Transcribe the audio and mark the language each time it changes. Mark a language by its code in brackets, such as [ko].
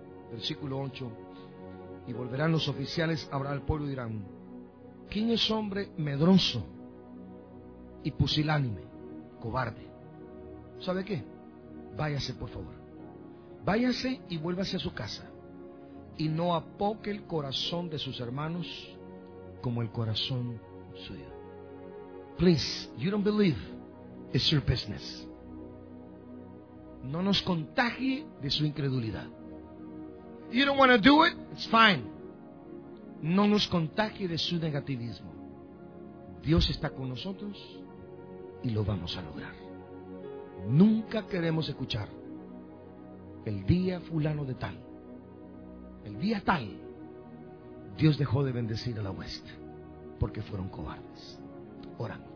[es] Versículo 8, y volverán los oficiales, hablarán al pueblo y dirán: ¿Quién es hombre medroso y pusilánime, cobarde? ¿Sabe qué? Váyase, por favor. Váyase y vuélvase a su casa, y no apoque el corazón de sus hermanos como el corazón suyo. [en] Please, you don't believe, it's your business. [es] No nos contagie de su incredulidad. [en] You don't want to do it, it's fine. [es] No nos contagie de su negativismo. Dios está con nosotros y lo vamos a lograr. Nunca queremos escuchar: el día fulano de tal, el día tal, Dios dejó de bendecir a la hueste porque fueron cobardes. Oramos.